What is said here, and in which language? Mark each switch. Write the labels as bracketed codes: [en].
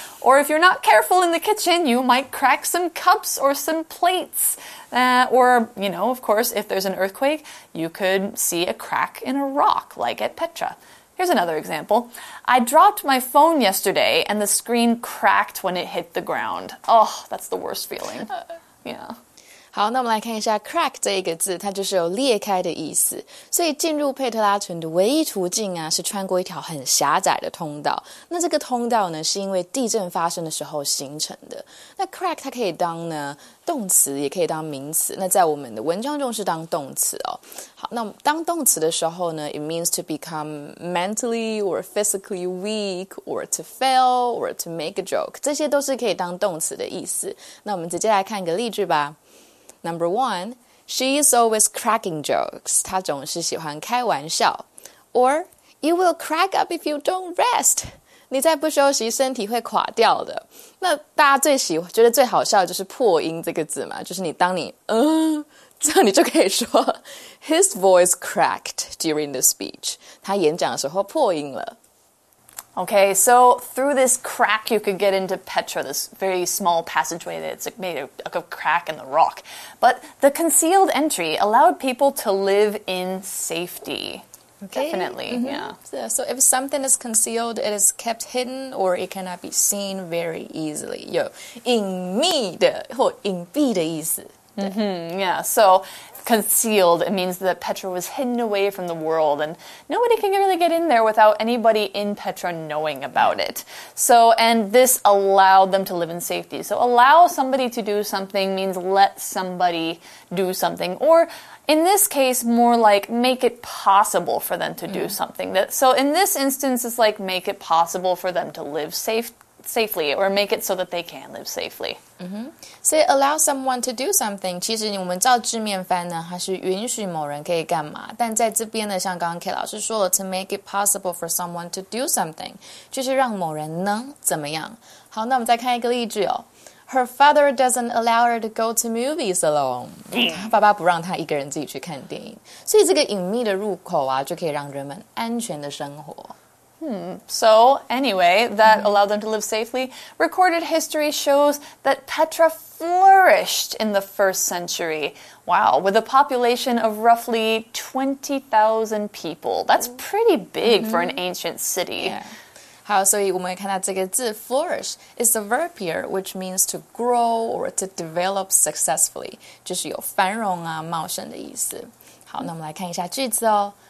[en] Or if you're not careful in the kitchen, you might crack some cups or some plates. Or, you know, of course, if there's an earthquake, you could see a crack in a rock, like at Petra. Here's another example. I dropped my phone yesterday, and the screen cracked when it hit the ground. Oh, that's the worst feeling. Yeah. [zh] 好，那我们来看一下 crack 这一个字，它就是有裂开的意思。所以进入佩特拉城的唯一途径啊，是穿过一条很狭窄的通道。那这个通道呢，是因为地震发生的时候形成的。那 crack 它可以当呢动词，也可以当名词。那在我们的文章中是当动词哦。好，那当动词的时候呢 [en] ，it means to become mentally or physically weak or to fail or to make a joke， [zh] 这些都是可以当动词的意思。那我们直接来看一个例句吧。 [en] Number one, she is always cracking jokes. [zh] 她总是喜欢开玩笑。 [en] Or, you will crack up if you don't rest. [zh] 你再不休息，身体会垮掉的。那大家最喜欢，觉得最好笑的就是破音这个字嘛，就是你当你这样你就可以说 , [en] his voice cracked during the speech. [zh] 他演讲的时候破音了。 [en] Okay, so through this crack you could get into Petra, this very small passageway that's made of a crack in the rock. But the concealed entry allowed people to live in safety. Okay. Definitely, mm-hmm. yeah. So if something is concealed, it is kept hidden or it cannot be seen very easily. [zh] 有隐秘的或隐蔽的意思。 [en] Mm-hmm, yeah, so concealed, it means that Petra was hidden away from the world and nobody can really get in there without anybody in Petra knowing about it. So, and this allowed them to live in safety. So allow somebody to do something means let somebody do something or... In this case, more like make it possible for them to do something. So in this instance, it's like make it possible for them to live safely or make it so that they can live safely. Mm-hmm. So allow someone to do something. [zh] 其实我们照字面翻呢，它是允许某人可以干嘛。但在这边呢，像刚刚 K 老师说了 [en] to make it possible for someone to do something, [zh] 就是让某人能怎么样。好，那我们再看一个例句哦。 [en] Her father doesn't allow her to go to movies alone. [zh] 她爸爸不让她一个人自己去看电影。所以这个隐秘的入口啊，就可以让人们安全的生活。 [en] So anyway, that、mm-hmm. allowed them to live safely. Recorded history shows that Petra flourished in the first century. Wow, with a population of roughly 20,000 people. That's pretty big、mm-hmm. for an ancient city. Yeah. [zh] 好，所以我们看到这个字 [en] flourish is a verb here, which means to grow or to develop successfully. [zh] 就是有繁荣啊，茂盛的意思。好，那我们来看一下句子哦。